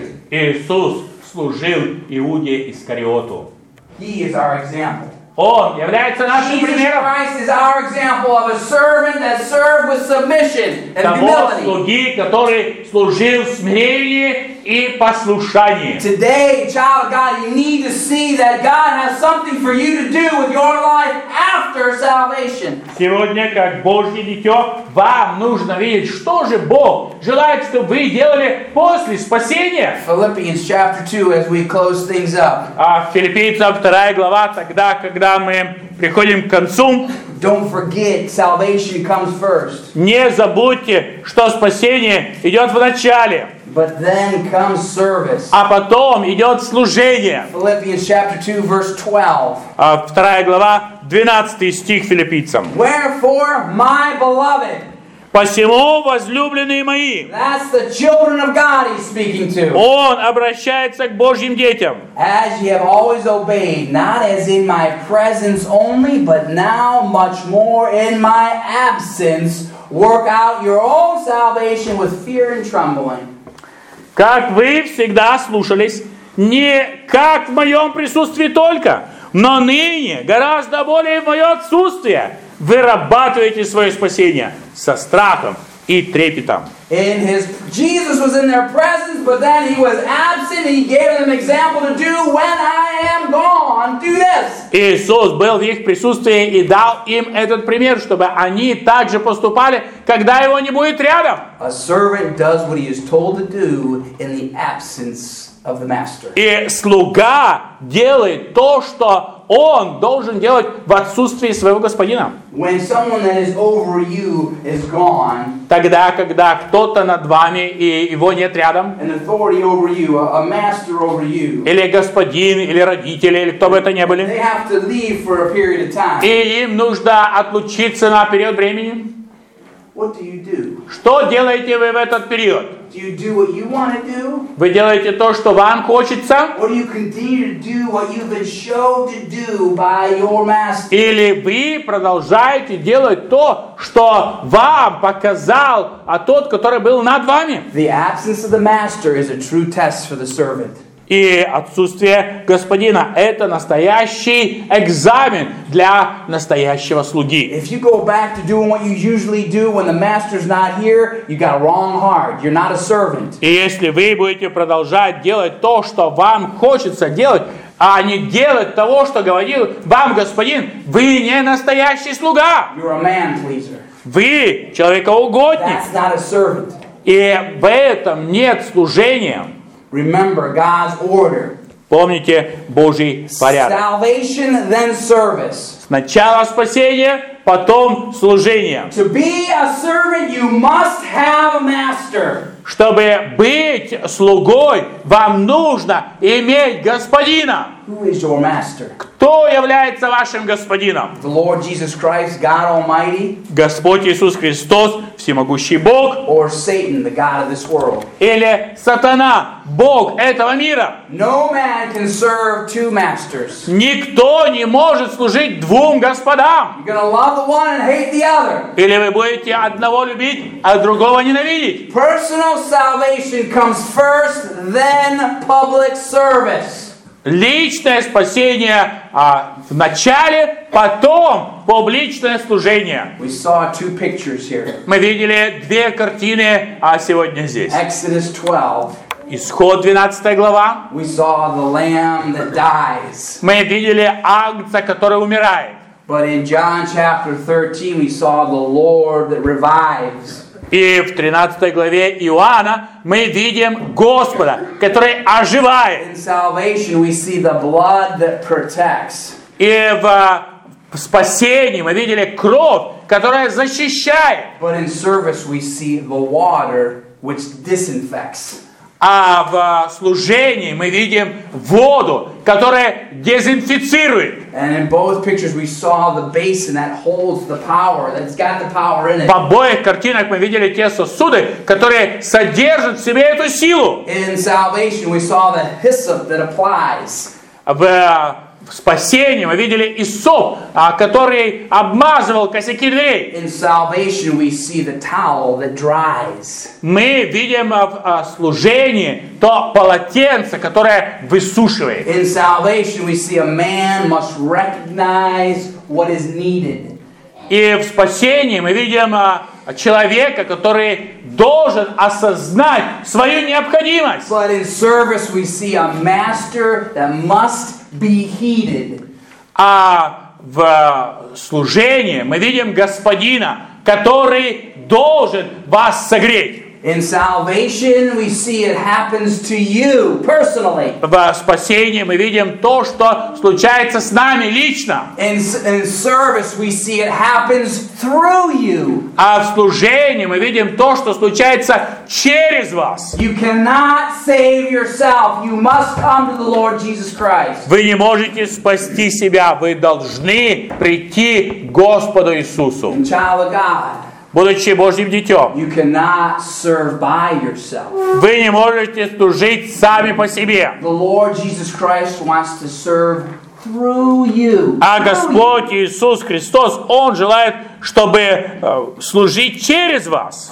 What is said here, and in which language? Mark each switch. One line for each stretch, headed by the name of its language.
Russian: Иисус служил Иуде Искариоту.
English: He is our example.
Russian: Он является нашим
English: Jesus
Russian: примером.
English: Jesus Christ is our example of a servant that served with submission and humility.
Russian: Того слуги, который служил в смирении и послушании.
English: Today, child of God, you need to see that God has something for you to do with your life after salvation.
Russian: Сегодня, как Божье дитё, вам нужно видеть, что же Бог желает, чтобы вы делали после спасения.
English: Philippians chapter 2, as we close things up.
Russian: А Филиппийцам 2 глава, тогда, когда мы приходим к концу.
English: Don't forget, salvation comes first.
Russian: Не забудьте, что спасение идет в начале.
English: But then comes service.
Russian: А потом идет служение.
English: Philippians chapter 2, verse 12.
Russian: 2 глава, 12 стих Филиппийцам.
English: Wherefore, my beloved.
Russian: Посему, возлюбленные мои.
English: That's the children of God he's speaking to.
Russian: Он обращается к Божьим детям.
English: As ye have always obeyed, not as in my presence only, but now much more in my absence, work out your own salvation with fear and trembling.
Russian: Как вы всегда слушались, не как в моем присутствии только, но ныне, гораздо более в мое отсутствие, вырабатываете свое спасение со страхом и трепетом.
English: Jesus was in their presence, but then he was absent, and he gave them an example to do when I am gone, do this.
Russian: Иисус был в их присутствии и дал им этот пример, чтобы они также поступали, когда его не будет рядом.
English: A servant does what he is told to do in the absence of the master.
Russian: И слуга делает то, что он должен делать в отсутствии своего господина.
English: When someone that is over you is gone,
Russian: тогда, когда кто-то над вами и его нет рядом,
English: an authority over you, a master over you,
Russian: или господин, или родители, или кто бы это ни были,
English: they have to leave for a period of time.
Russian: И им нужно отлучиться на период времени.
English: What do you do?
Russian: Что делаете вы в этот период?
English: Do you do what you want to do?
Russian: Вы делаете то, что вам хочется?
English: Or do you continue to do what you've been shown to do by your master?
Russian: Или вы продолжаете делать то, что вам показал тот, который был над вами?
English: The absence of the master is a true test for the servant.
Russian: и отсутствие господина. Это настоящий экзамен для настоящего слуги.
English: If you go back to doing what you usually do when the master's not here, you got a wrong heart. You're not a servant.
Russian: И если вы будете продолжать делать то, что вам хочется делать, а не делать того, что говорил вам господин, вы не настоящий слуга.
English: You're a man pleaser.
Russian: Вы человекоугодник.
English: That's not a servant.
Russian: И в этом нет служения.
English: Remember God's order.
Russian: Помните Божий порядок.
English: Salvation, then service.
Russian: Сначала спасение, потом служение.
English: To be a servant, you must have a master.
Russian: Чтобы быть слугой, вам нужно иметь господина.
English: Who is your master?
Russian: Кто является вашим господином?
English: The Lord Jesus Christ, God Almighty.
Russian: Господь Иисус Христос, всемогущий Бог.
English: Or Satan, the God of this world.
Russian: Или сатана, Бог этого мира.
English: No man can serve two masters.
Russian: Никто не может служить двум господам.
English: You're gonna love the one and hate the other.
Russian: Или вы будете одного любить, а другого ненавидеть.
English: Personal salvation comes first, then public service.
Russian: Личное спасение в начале, потом публичное служение.
English: We saw two pictures here.
Russian: Мы видели две картины сегодня здесь.
English: Exodus 12.
Russian: Исход 12 глава.
English: We saw the lamb that dies.
Russian: Мы видели агнца, который умирает.
English: But in John chapter 13 we saw the Lord that revives.
Russian: И в 13 главе Иоанна мы видим Господа, который оживает.
English: In salvation we see the blood that protects.
Russian: И в спасении мы видели кровь, которая защищает.
English: But in service we see the water which disinfects.
Russian: А в служении мы видим воду, которая дезинфицирует.
English: And in both pictures we saw the basin that holds the power, that's got the power in it.
Russian: В обоих картинах мы видели те сосуды, которые содержат в себе эту силу.
English: In salvation we saw the hyssop that applies.
Russian: В спасении мы видели иссоп, который обмазывал косяки дверей.
English: In salvation we see the towel that dries.
Russian: Мы видим в служении то полотенце, которое высушивает.
English: In salvation we see a man must recognize what is needed.
Russian: И в спасении мы видим человека, который должен осознать свою необходимость.
English: But in service we see a master that must be heeded.
Russian: А в служении мы видим господина, который должен вас согреть.
English: In salvation we see it happens to you personally.
Russian: В спасении мы видим то, что случается с нами лично.
English: In service we see it happens through you.
Russian: А в служении мы видим то, что случается через вас.
English: You cannot save yourself. You must come to the Lord Jesus Christ.
Russian: Вы не можете спасти себя, вы должны прийти к Господу Иисусу.
English: In child of God.
Russian: Будучи Божьим дитем.
English: You cannot serve by yourself.
Russian: Вы не можете служить сами по себе.
English: The Lord Jesus Christ wants to serve through you.
Russian: А Господь Иисус Христос, Он желает, чтобы служить через вас.